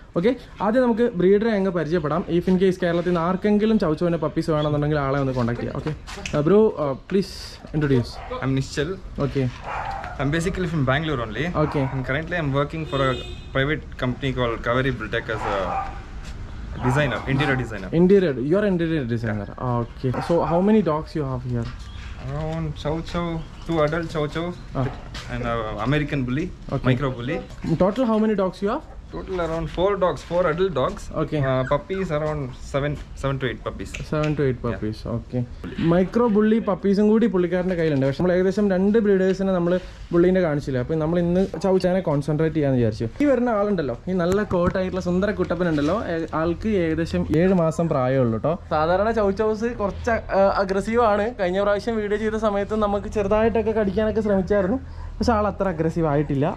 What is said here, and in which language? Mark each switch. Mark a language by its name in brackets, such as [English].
[Malayalam] Okay, ആദ്യം നമുക്ക് ബ്രീഡറെ അങ്ങ് പരിചയപ്പെടാം. ഇഫ് ഇൻ കേസ് കേരളത്തിൽ നിന്ന് ആർക്കെങ്കിലും ചൗച്ചോവിൻ്റെ പപ്പീസ് വേണമെന്നുണ്ടെങ്കിൽ ആളെ ഒന്ന് കോൺടാക്ട് ചെയ്യാം. [English] Okay bro, please introduce. I am Nishchal. Okay, I am basically from Bangalore only. Okay, currently I am working for a private company called Kaveri Buildtech as a designer, interior designer. Interior, you are interior designer. Okay, so how many dogs you have here? Around Chow-Chow, 2 adult Chow-Chow and American Bully, okay. Micro Bully. Total how many dogs you have? Total around 4 dogs, 4 adult dogs. Okay. Puppies around 7 to 8 puppies. 7 to 8 puppies, yeah. Okay. [Malayalam] Micro bully പപ്പീസും കൂടി പുള്ളിക്കാരൻ്റെ കയ്യിലുണ്ട്. പക്ഷെ നമ്മൾ ഏകദേശം 2 ബ്രീഡേഴ്സിനെ നമ്മൾ ബുള്ളീൻ്റെ കാണിച്ചില്ല. അപ്പോൾ നമ്മൾ ഇന്ന് ചൗച്ചാനെ കോൺസെൻട്രേറ്റ് ചെയ്യാമെന്ന് വിചാരിച്ചു. ഈ വരുന്ന ആളുണ്ടല്ലോ, ഈ നല്ല കോട്ടായിട്ടുള്ള സുന്ദര കുട്ടപ്പനുണ്ടല്ലോ, ആൾക്ക് ഏകദേശം 7 മാസം പ്രായമുള്ളൂ കേട്ടോ. സാധാരണ ചൗച്ചൗസ് കുറച്ച് അഗ്രസീവ് ആണ്. കഴിഞ്ഞ പ്രാവശ്യം വീഡിയോ ചെയ്ത സമയത്ത് നമുക്ക് ചെറുതായിട്ടൊക്കെ കടിക്കാനൊക്കെ ശ്രമിച്ചായിരുന്നു, പക്ഷെ ആൾ അത്ര അഗ്രസീവ് ആയിട്ടില്ല.